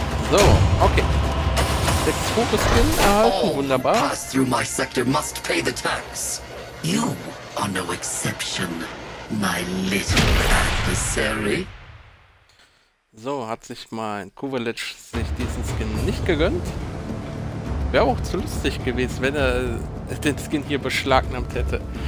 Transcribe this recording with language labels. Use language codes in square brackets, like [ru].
[de] So, okay. Der Kuchen Skin erhalten, wunderbar. [en] All who pass through my sector must pay the tax. You are no exception, my little adversary. [de] So, hat sich mein Kuvelich sich diesen Skin nicht gegönnt. Wäre auch zu lustig gewesen, wenn er den Skin hier beschlagnahmt hätte.